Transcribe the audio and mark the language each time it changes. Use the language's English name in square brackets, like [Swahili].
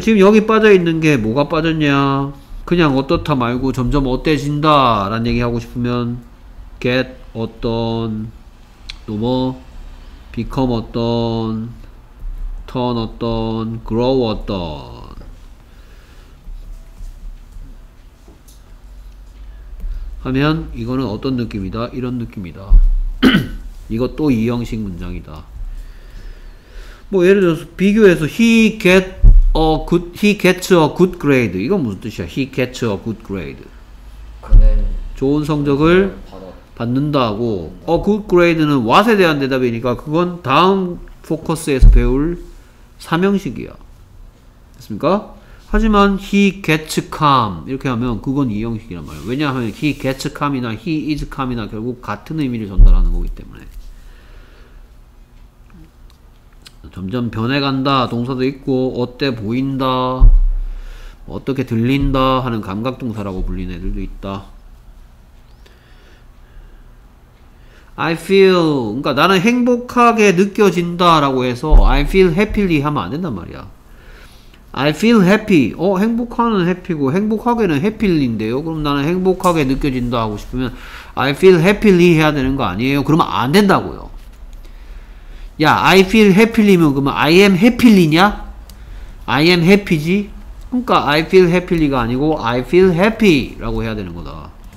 [Korean] 지금 여기 빠져있는 게 뭐가 빠졌냐? 그냥 어떻다 말고 점점 어때진다 라는 얘기하고 싶으면 get 어떤 또 뭐 become 어떤 turn 어떤 grow 어떤 하면 이거는 어떤 느낌이다? 이런 느낌이다. 이거 또 2형식 문장이다. 뭐 예를 들어서 비교해서 [English] he gets a good grade. [Korean] 이건 무슨 뜻이야? [English] he gets a good grade. [Korean] 그는 좋은 성적을 받는다고. a good grade는 what에 대한 대답이니까 그건 다음 포커스에서 배울 3형식이야. 됐습니까? 하지만 [English] he gets calm [Korean] 이렇게 하면 그건 2형식이란 말이에요. 왜냐하면 [English] he gets calm [Korean] 이나 [English] he is calm [Korean] 이나 결국 같은 의미를 전달하는 거기 때문에 점점 변해간다 동사도 있고 어때 보인다 어떻게 들린다 하는 감각 동사라고 불리는 애들도 있다. I feel 그러니까 나는 행복하게 느껴진다 라고 해서 [English] I feel happily [Korean] 하면 안 된단 말이야. [English] I feel happy. [Korean] 행복하는 happy고 행복하게는 happily인데요. 그럼 나는 행복하게 느껴진다 하고 싶으면 [English] I feel happily [Korean] 해야 되는 거 아니에요? 그러면 안 된다고요. 야, [English] I feel happily [Korean] 면 그러면 [English] I am happily [Korean] 냐? [English] I am happy지? [Korean] 그러니까 [English] I feel happily [Korean] 가 아니고 [English] I feel happy [Korean] 라고 해야 되는 거다.